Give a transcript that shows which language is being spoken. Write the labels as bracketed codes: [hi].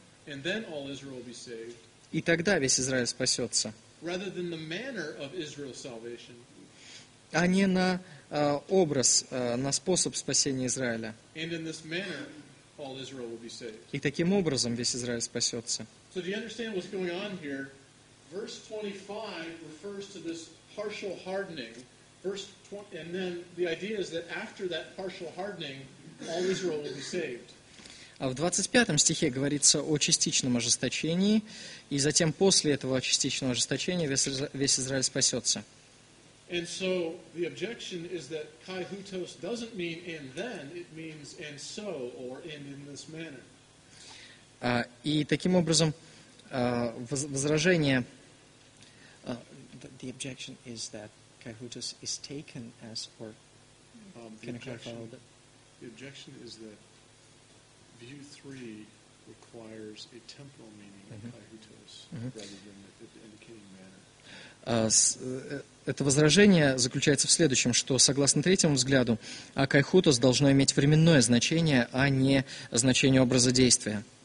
[ru] И тогда весь Израиль спасется. А не на образ, на способ спасения Израиля. И таким образом весь Израиль спасется. [en] So do you understand what's going on here? Verse 25 refers to this partial hardening. And then the idea is that after that partial hardening, all Israel will be saved. [ru] А в 25 стихе говорится о частичном ожесточении, и затем после этого частичного ожесточения весь Израиль спасется. [en] And so the objection is that kai houtos doesn't mean and then, it means and so, or and in this manner. [ru] И таким образом, возражение... [en] The objection is that kai houtos is taken as, or... The objection is that view 3 requires a temporal meaning of kai houtos, rather than the indicating manner. [ru] Это возражение заключается в следующем, что, согласно третьему взгляду, kai houtos должно иметь временное значение, а не значение образа действия.